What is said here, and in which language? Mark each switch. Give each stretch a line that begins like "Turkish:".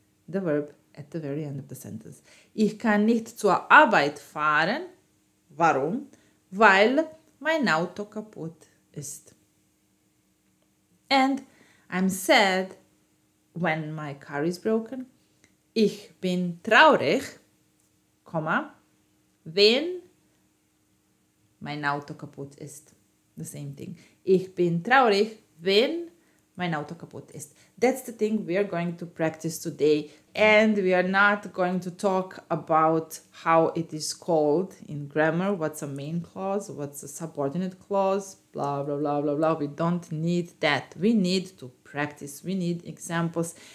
English: The verb at the very end of the sentence.
German: Ich kann nicht zur Arbeit fahren. Warum? Weil mein Auto kaputt ist.
English: And I'm sad when my car is broken.
German: Ich bin traurig, wenn mein Auto kaputt ist.
English: The same thing.
German: Ich bin traurig, wenn mein Auto kaputt ist.
English: That's the thing we are going to practice today. And we are not going to talk about how it is called in grammar. What's a main clause? What's a subordinate clause? Blah, blah, blah, blah, blah. We don't need that. We need to practice. We need examples.